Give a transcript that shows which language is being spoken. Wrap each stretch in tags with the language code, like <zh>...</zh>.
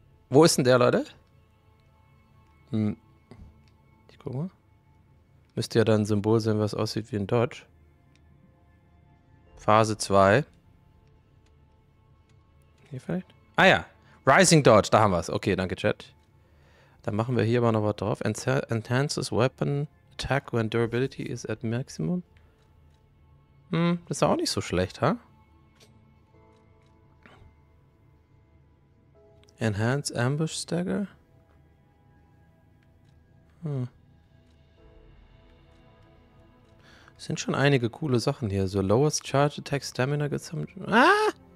<de>Wo ist denn der, Leute? Hm. Ich guck mal. Müsste ja da ein Symbol sein, was aussieht wie ein Dodge. Phase 2. Hier vielleicht? Ah ja. Rising Dodge, da haben wir es. Okay, danke, Chat. Dann machen wir hier aber noch was drauf.</de> <en>Enhances Weapon Attack when Durability is at Maximum.</en> <de>Hm, das ist auch nicht so schlecht, ha? Huh?</de> <en>Enhance Ambush Stagger? Hm.</en> <de>Sind schon einige coole Sachen hier. So Lowest Charge Attack Stamina gesammelt. Ah!</de>